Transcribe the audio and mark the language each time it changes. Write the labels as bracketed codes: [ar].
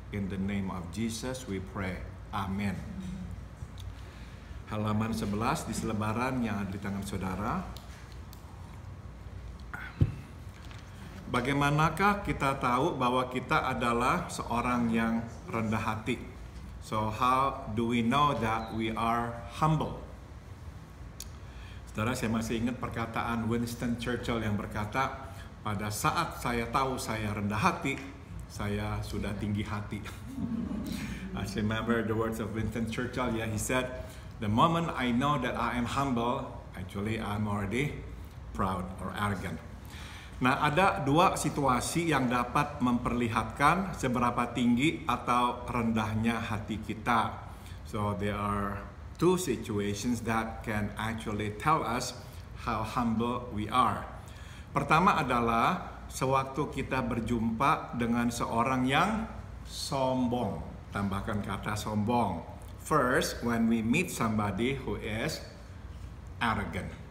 [en] In the name of Jesus, we pray. [id] Amen. Halaman 11 di selebaran yang ada di tangan saudara. Bagaimanakah kita tahu bahwa kita adalah seorang yang rendah hati? [en] So how do we know that we are humble? [id] Saudara, saya masih ingat perkataan Winston Churchill yang berkata, pada saat saya tahu saya rendah hati, saya sudah tinggi hati. [en] I remember the words of Winston Churchill. Yeah, he said, the moment I know that I am humble, actually I'm already proud or arrogant. [id] Nah, ada dua situasi yang dapat memperlihatkan seberapa tinggi atau rendahnya hati kita. [en] So there are two situations that can actually tell us how humble we are. [id] Pertama adalah sewaktu kita berjumpa dengan seorang yang sombong. Tambahkan kata sombong. [en] First, when we meet somebody who is arrogant.